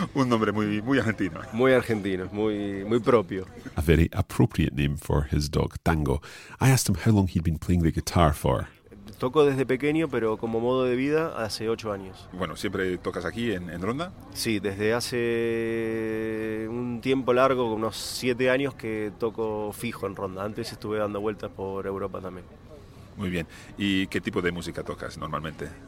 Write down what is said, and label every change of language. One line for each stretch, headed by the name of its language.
Spanish: Un nombre muy argentino. Muy argentino, muy propio.
English: A very appropriate name for his dog, Tango. I asked him how long he'd been playing the guitar for.
Spanish: Toco desde pequeño, pero como modo de vida, hace 8 años. Bueno, ¿siempre tocas aquí en Ronda? Sí, desde hace un tiempo largo, unos 7 años, que toco fijo en Ronda. Antes estuve dando vueltas por Europa también. Muy bien. ¿Y qué tipo de música tocas normalmente?